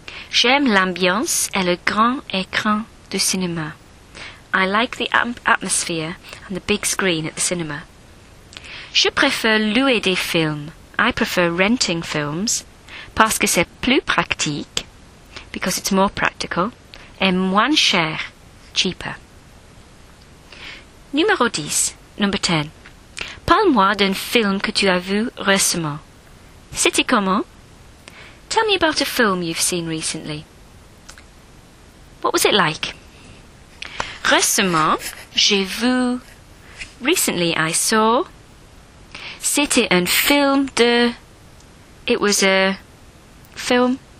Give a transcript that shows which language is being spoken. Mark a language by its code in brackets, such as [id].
[fr] J'aime l'ambiance et le grand écran du cinéma. [en] I like the atmosphere and the big screen at the cinema. [fr] Je préfère louer des films. [en] I prefer renting films [fr] parce que c'est plus pratique, [en] because it's more practical, [fr] et moins cher, [en] cheaper. Number 10. [fr] Parle-moi d'un film que tu as vu récemment. C'était comment? [en] Tell me about a film you've seen recently. What was it like? [fr] Récemment, j'ai vu... [en] Recently, I saw... [fr] C'était un film de... [en] It was a... film...